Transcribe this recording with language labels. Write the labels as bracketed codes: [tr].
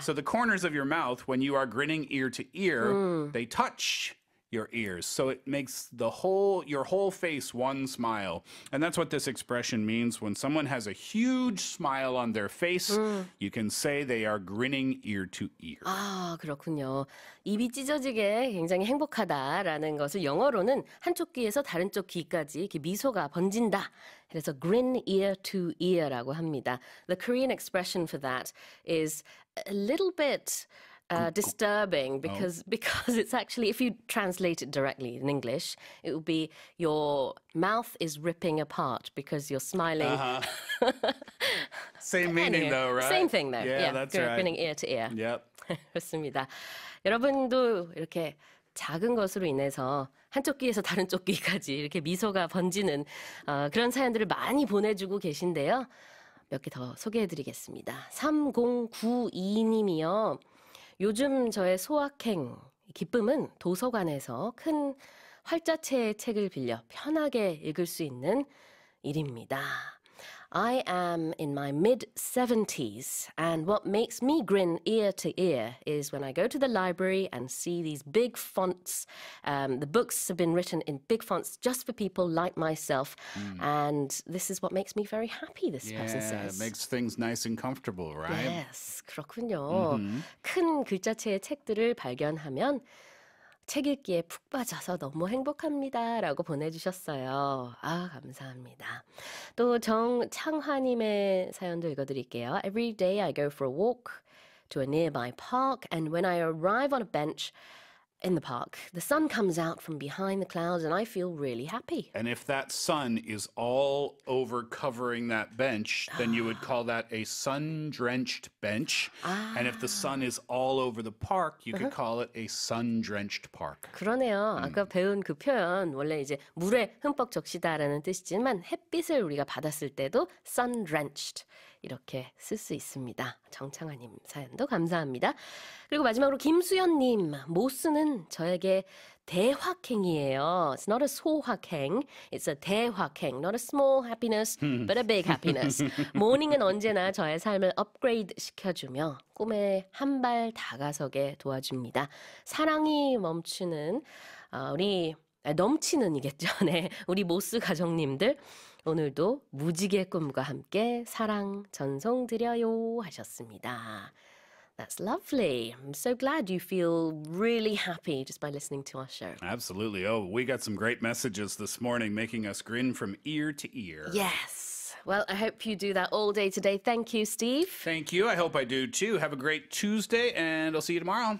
[en] So the corners of your mouth, when you are grinning ear to ear, they touch your ears. So it makes the whole, your whole face one smile. And that's what this expression means. When someone has a huge smile on their face, you can say they are grinning ear to ear. [ko] 아, 그렇군요. 입이 찢어지게 굉장히 행복하다라는 것을 영어로는 한쪽 귀에서 다른 쪽 귀까지 이렇게 미소가 번진다. 그래서 [en] grin ear to ear [ko] 라고 합니다. [en] The Korean expression for that is a little bit disturbing because it's actually, if you translate it directly in English, it would be your mouth is ripping apart because you're smiling. Uh-huh. Same meaning though, right? Same thing though. Yeah, yeah. That's Good. Right. Grinning ear to ear. Yep. [ko] 그렇습니다. 여러분도 이렇게 작은 것으로 인해서 한쪽 귀에서 다른 쪽 귀까지 이렇게 미소가 번지는 그런 사연들을 많이 보내주고 계신데요. 몇 개 더 소개해드리겠습니다. 3092님이요. 요즘 저의 소확행, 기쁨은 도서관에서 큰 활자체의 책을 빌려 편하게 읽을 수 있는 일입니다. [en] I am in my mid-70s, and what makes me grin ear to ear is when I go to the library and see these big fonts. The books have been written in big fonts just for people like myself, and this is what makes me very happy, this yeah, person says. Yeah, it makes things nice and comfortable, right? Yes, [ko] 그렇군요. Mm-hmm. 큰 글자체의 책들을 발견하면 책 읽기에 푹 빠져서 너무 행복합니다 라고 보내주셨어요. 아, 감사합니다. 또 정창화님의 사연도 읽어드릴게요. [en] Every day I go for a walk to a nearby park, and when I arrive on a bench in the park, the sun comes out from behind the clouds and I feel really happy. And if that sun is all over covering that bench, then you would call that a sun-drenched bench. [ko] 아. [en] And if the sun is all over the park, you could call it a sun-drenched park. [ko] 그러네요. 아까 배운 그 표현, 원래 이제 물에 흠뻑 적시다라는 뜻이지만 햇빛을 우리가 받았을 때도 sun-drenched 이렇게 쓸 수 있습니다. 정창아님 사연도 감사합니다. 그리고 마지막으로 김수연님, 모스는 저에게 대확행이에요. [en] It's not a 소확행, it's a 대확행. Not a small happiness, but a big happiness. [ko] 모닝은 언제나 저의 삶을 업그레이드 시켜주며 꿈에 한 발 다가서게 도와줍니다. 사랑이 멈추는 우리 넘치는이겠죠. 네. 우리 모스 가정님들. 오늘도 무지개 꿈과 함께 사랑 전송드려요 하셨습니다. [en] That's lovely. I'm so glad you feel really happy just by listening to our show. Absolutely. Oh, we got some great messages this morning making us grin from ear to ear. Yes. Well, I hope you do that all day today. Thank you, Steve. Thank you. I hope I do too. Have a great Tuesday and I'll see you tomorrow.